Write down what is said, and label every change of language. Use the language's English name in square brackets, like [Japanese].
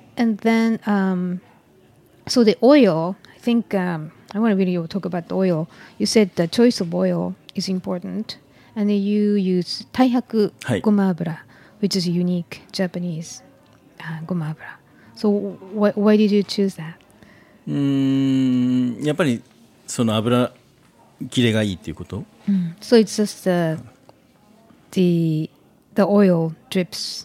[English] And then, so the oil, I think I want to really talk about the oil. You said the choice of oil is important. And you use taihaku goma abura, which is a unique Japanese goma abura. So why did you choose that? [Japanese] やっぱりその油切れがいいっていうこと、 [English] So it's just the oil drips、